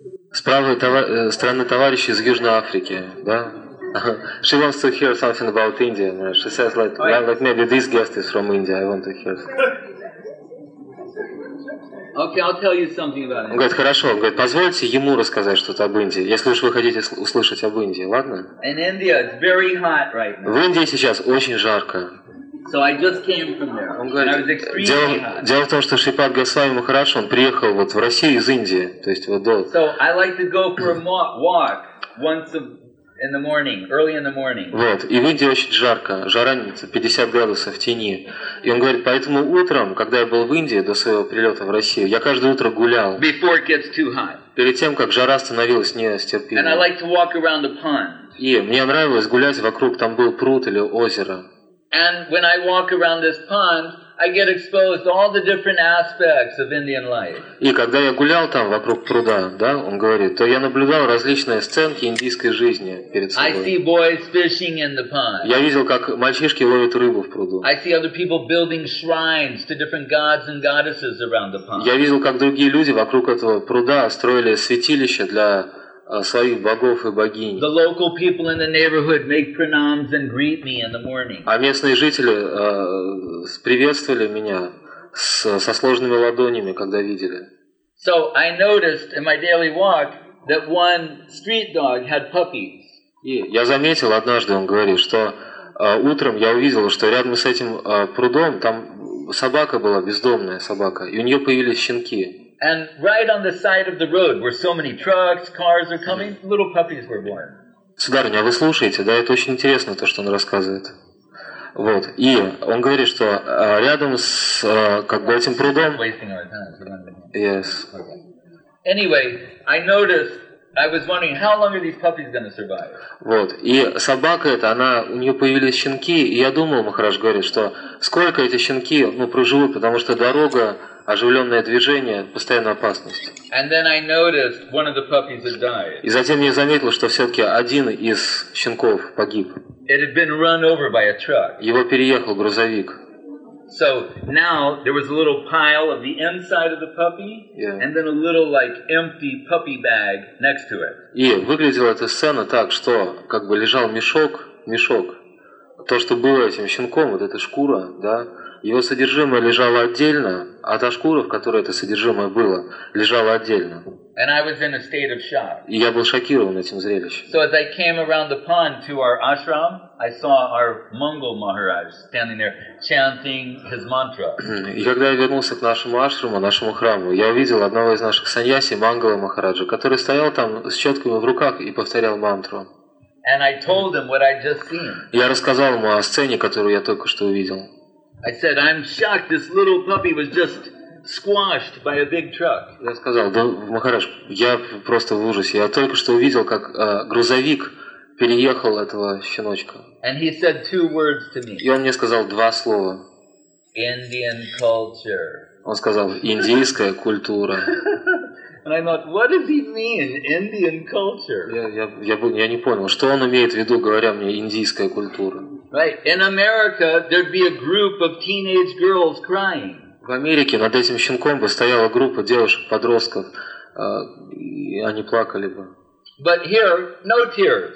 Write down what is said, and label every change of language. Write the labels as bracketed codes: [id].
[ru] Справа страны товарищи из Южной Африки, да? [en] She wants to hear something about India. She says, like maybe this guest is from India. I want to hear. Okay, I'll tell you something about India. [ru] Он говорит, хорошо. Он говорит, позвольте ему рассказать что-то об Индии, если уж вы хотите услышать об Индии, ладно? [en] In India, it's very hot right now. [ru] В Индии сейчас очень жарко. [en] So I just came from there. [ru] Он говорит, дело в том, что Шипад Госвами Махарадж, он приехал вот в Россию из Индии, то есть вот до. [en] So I like to go for a walk once a in the morning, early in the morning. [ru] Вот, и в Индии очень жарко, жара нынче 50 градусов в тени. И он говорит, поэтому утром, когда я был в Индии до своего прилета в Россию, я каждое утро гулял. [en] Before it gets too hot. [ru] Перед тем, как жара становилась нестерпимой. [en] And I like to walk around the pond. [ru] И мне нравилось гулять вокруг, там был пруд или озеро. [en] And when I walk around this pond, I get exposed to all the different aspects of Indian life. [ru] И когда я гулял там вокруг пруда, да, он говорит, то я наблюдал различные сценки индийской жизни перед собой. [en] I see boys fishing in the pond. [ru] Я видел, как мальчишки ловят рыбу в пруду. [en] I see other people building shrines to different gods and goddesses around the pond. [ru] Я видел, как другие люди вокруг этого пруда строили святилища для своих богов и богинь. [en] The local people in the neighborhood make pranams and greet me in the morning. [ru] А местные жители приветствовали меня со сложными ладонями, когда видели. [en] So I noticed in my daily walk that one street dog had puppies. [ru] И я заметил однажды, он говорит, что утром я увидел, что рядом с этим прудом там собака была, бездомная собака, и у нее появились щенки. [en] And right on the side of the road, where so many trucks, cars are coming, little puppies were born. [ru] Сударыня, вы слушаете, да? Это очень интересно то, что он рассказывает. Вот. И он говорит, что рядом с как бы этим прудом. [en] Yes. Anyway, I noticed. I was wondering how long are these puppies going to survive. [ru] Вот. И собака эта, она у нее появились щенки, и я думал, Махарадж говорит, что сколько эти щенки проживут, потому что дорога. Оживленное движение, постоянная опасность. И затем я заметил, что все-таки один из щенков погиб. Его переехал грузовик. [en] So now there was a little pile of the inside of the puppy, and then a little like empty puppy bag next to it. [ru] И выглядела эта сцена так, что как бы лежал мешок, то, что было этим щенком, вот эта шкура, да. Его содержимое лежало отдельно, а та шкура, в которой это содержимое было, лежала отдельно. [en] And I was in a state of shock. [ru] И я был шокирован этим зрелищем. [en] So as I came around the pond to our ashram, I saw our Mongol Maharaj standing there chanting his mantra. [ru] И когда я вернулся к нашему ашраму, нашему храму, я увидел одного из наших саньяси, Мангала Махараджа, который стоял там с четками в руках и повторял мантру. [en] And I told him what I'd just seen. [ru] Я рассказал ему о сцене, которую я только что увидел. [en] I said, I'm shocked this little puppy was just squashed by a big truck. [ru] Я сказал, да, Махарадж, я просто в ужасе. Я только что увидел, как грузовик переехал этого щеночка. [en] And he said two words to me. [ru] И он мне сказал два слова. [en] Indian culture. [ru] Он сказал, индийская культура. [en] And I thought, what does he mean, Indian culture? [ru] Я не понял, что он имеет в виду, говоря мне, индийская культура. [en] Right. In America, there'd be a group of teenage girls crying. [ru] В Америке над этим щенком бы стояла группа девушек-подростков, и они плакали бы. [en] But here, no tears.